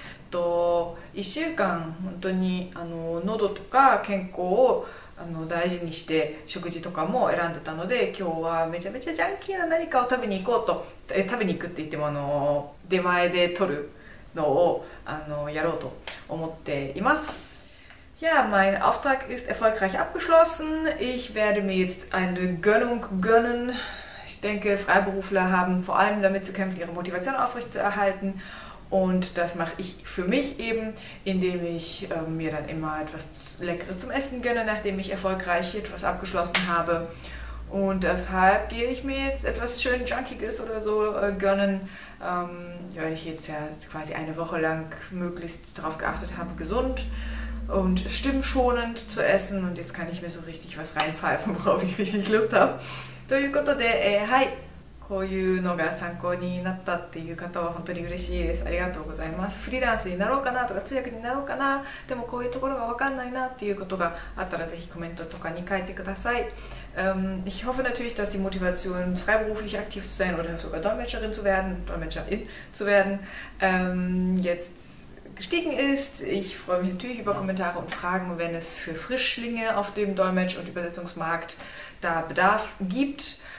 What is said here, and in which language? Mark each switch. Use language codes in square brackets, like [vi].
[ja] と1週間本当に喉とか健康を大事にして食事とかも選んでたので、今日はめちゃめちゃジャンキーな何かを食べに行こうと、食べに行くって言っても出前で取るのをやろうと思っています。 [de] Ja, mein Auftrag ist erfolgreich abgeschlossen. Ich werde mir jetzt eine Gönnung gönnen. Ich denke, Freiberufler haben vor allem damit zu kämpfen, ihre Motivation aufrechtzuerhalten. Und das mache ich für mich eben, indem ich mir dann immer etwas Leckeres zum Essen gönne, nachdem ich erfolgreich etwas abgeschlossen habe. Und deshalb gehe ich mir jetzt etwas schön Junkiges oder so gönnen, weil ich jetzt ja quasi eine Woche lang möglichst darauf geachtet habe, gesund und stimmschonend zu essen. Und jetzt kann ich mir so richtig was reinpfeifen, worauf ich richtig Lust habe. [ja] ということで、はい。こういうのが参考になったっていう方は本当に嬉しいです。ありがとうございます。フリーランスになろうかなとか通訳になろうかな、でもこういうところが分かんないなっていうことがあったらぜひコメントとかに書いてください。 [de] Ich hoffe natürlich, dass die Motivation, freiberuflich aktiv zu sein oder sogar Dolmetscherin zu werden, Dolmetscherin zu werden, jetzt gestiegen ist. Ich freue mich natürlich über Kommentare und Fragen, wenn es für Frischlinge auf dem Dolmetsch- und Übersetzungsmarkt da Bedarf gibt.